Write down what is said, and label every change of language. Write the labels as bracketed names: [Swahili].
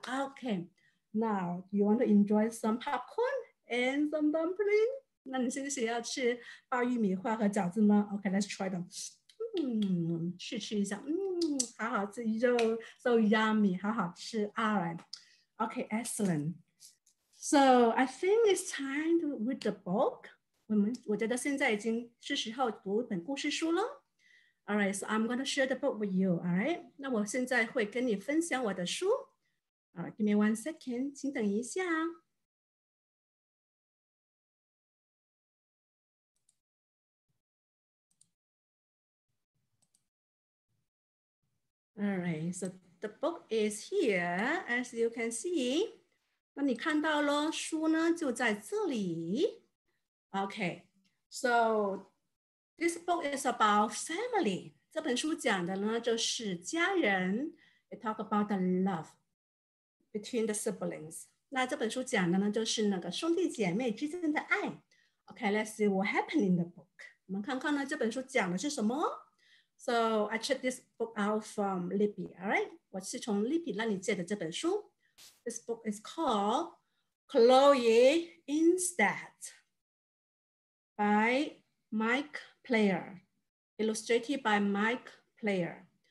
[English] Okay, now you want to enjoy some popcorn and some dumpling? [Chinese] 那你现在是要吃爆玉米花和饺子吗？ [English] Okay, let's try them. [Chinese] 试吃一下，好好吃， [English] so yummy， [Chinese] 好好吃 [English] ，all right， okay， excellent， so I think it's time to read the book， [Chinese] 我觉得现在已经是时候读本故事书了， [English] all right， so I'm going to share the book with you， all right， [Chinese] 那我现在会跟你分享我的书， [English] all right， give me one second， [Chinese] 请等一下。 [English] All right, so The book is here, as you can see. [Chinese] 那你看到咯，书呢就在这里。 [English] Okay, so this book is about family. [Chinese] 这本书讲的呢就是家人。 [English] It talks about the love between the siblings. [Chinese] 那这本书讲的呢就是那个兄弟姐妹之间的爱。 [English] Okay, let's see what happened in the book. [Chinese] 我们看看呢这本书讲的是什么。 [English] So I checked this book out from Libby, all right? [Chinese] 我是从 Libby 那里借的这本书。 [English] This book is called Chloe Instead by Mike Player, illustrated by Mike Player.